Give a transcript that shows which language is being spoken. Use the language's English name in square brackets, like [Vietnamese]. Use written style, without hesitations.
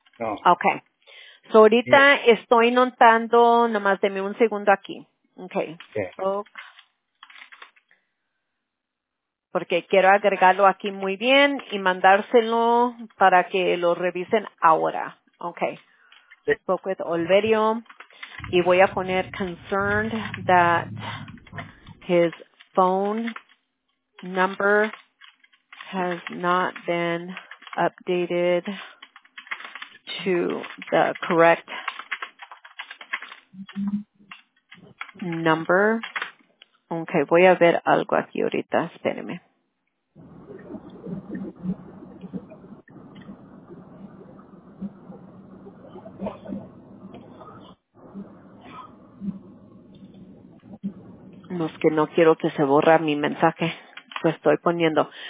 [English] Okay. [Spanish] So ahorita estoy notando, nomás deme un segundo aquí. [English] Okay. [Spanish] Porque quiero agregarlo aquí muy bien y mandárselo para que lo revisen ahora. [English] Okay. Spoke with Olverio [Spanish] y voy a poner [English] concerned that his phone number has not been updated to the correct number. Okay, [Spanish] voy a ver algo aquí ahorita, espérenme. No, es que no quiero que se borra mi mensaje. Lo estoy poniendo.